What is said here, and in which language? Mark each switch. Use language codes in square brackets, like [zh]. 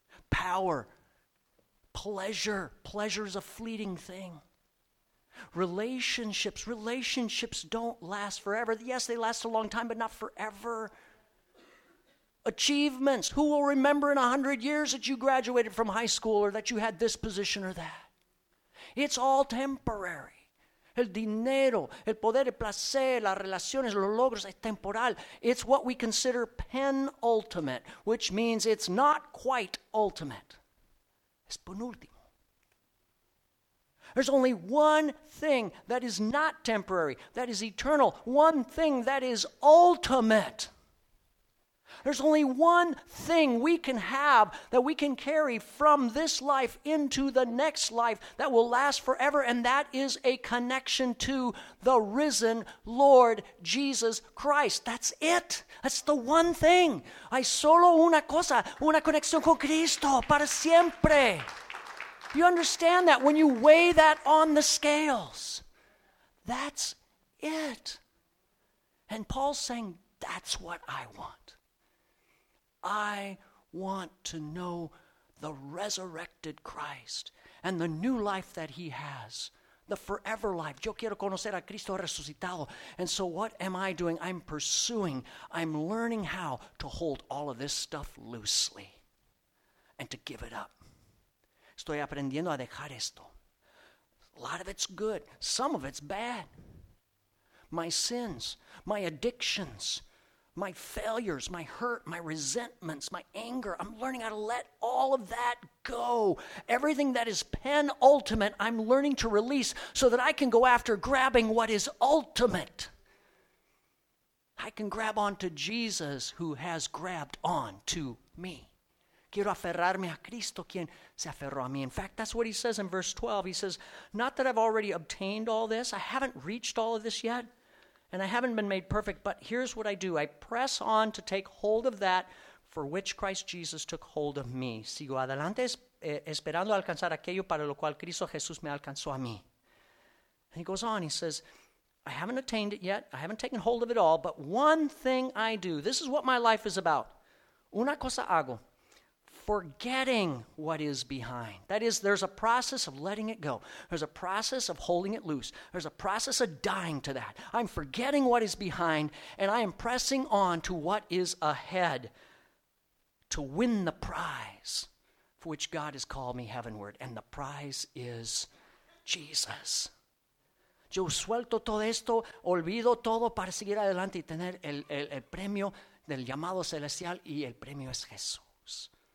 [en] Power, pleasure. Pleasure is a fleeting thing. Relationships don't last forever. Yes, they last a long time, but not forever. Achievements. Who will remember in 100 years that you graduated from high school or that you had this position or that? It's all temporary. [es] El dinero, el poder, el placer, las relaciones, los logros, es temporal. [en] It's what we consider penultimate, which means it's not quite ultimate. [es] Es penúltimo. [en] There's only one thing that is not temporary, that is eternal. One thing that is ultimate. There's only one thing we can have that we can carry from this life into the next life that will last forever, and that is a connection to the risen Lord Jesus Christ. That's it. That's the one thing. [es] Hay solo una cosa, una conexión con Cristo para siempre. [en] You understand that when you weigh that on the scales? That's it. And Paul's saying, that's what I want. I want to know the resurrected Christ and the new life that he has, the forever life. [es] Yo quiero conocer a Cristo resucitado. [en] And so what am I doing? I'm learning how to hold all of this stuff loosely and to give it up. [es] Estoy aprendiendo a dejar esto. [en] A lot of it's good. Some of it's bad. My sins, my addictions, my failures, my hurt, my resentments, my anger. I'm learning how to let all of that go. Everything that is penultimate, I'm learning to release so that I can go after grabbing what is ultimate. I can grab on to Jesus who has grabbed on to me. [es] Quiero aferrarme a Cristo quien se aferró a mí. [en] In fact, that's what he says in verse 12. He says, not that I've already obtained all this. I haven't reached all of this yet. And I haven't been made perfect, but here's what I do. I press on to take hold of that for which Christ Jesus took hold of me. [es] Sigo adelante esperando alcanzar aquello para lo cual Cristo Jesús me alcanzó a mí. [en] And he goes on, he says, I haven't attained it yet. I haven't taken hold of it all, but one thing I do. This is what my life is about. [es] Una cosa hago. [en] Forgetting what is behind. That is, there's a process of letting it go. There's a process of holding it loose. There's a process of dying to that. I'm forgetting what is behind, and I am pressing on to what is ahead to win the prize for which God has called me heavenward. And the prize is Jesus. [es] Yo suelto todo esto, olvido todo para seguir adelante y tener el premio del llamado celestial, y el premio es Jesús.